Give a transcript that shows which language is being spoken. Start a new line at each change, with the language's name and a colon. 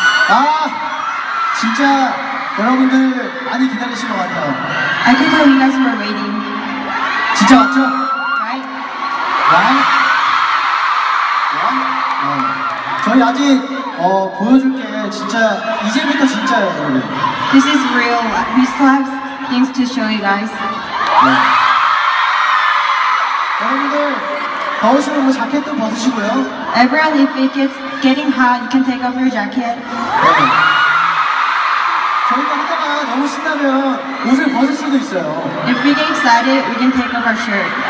Korean: 아, 진짜 여러분들 많이 기다리신 것 같아요.
English: I can tell you guys were waiting.
Korean: 진짜 왔죠?
English: Right? Right? 어.
Korean: 저희 아직 보여줄 게 진짜 이제부터 진짜예요, 여러분.
English: This is real. We still have things to show you guys.
Korean: 여러분들 더우시면 뭐 자켓도 벗으시고요.
English: Everyone, if it gets getting hot, you can take off your jacket.
Korean: 저희가 하다가 너무 신나면 옷을 벗을 수도 있어요.
English: If we get excited, we can take off our shirt.